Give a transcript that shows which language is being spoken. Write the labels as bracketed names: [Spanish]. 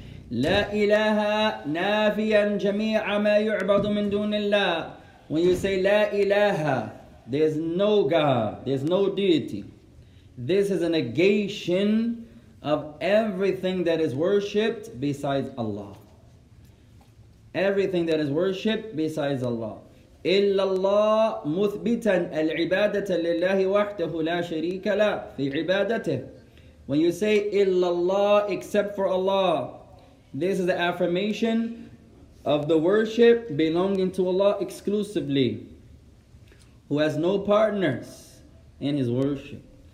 [Arabic] لا إله نافيا جميع ما يعبد من دون الله. [English] When you say [Arabic] لا إله, [English] there's no God, there's no deity. This is a negation of everything that is worshipped besides Allah. Everything that is worshipped besides Allah. [Arabic] إلا الله مثبتا العبادة لله وحده لا شريك له في عبادته. [English] When you say [Arabic] إلا الله, [English] except for Allah, this is the affirmation of the worship belonging to Allah exclusively, who has no partners in His worship.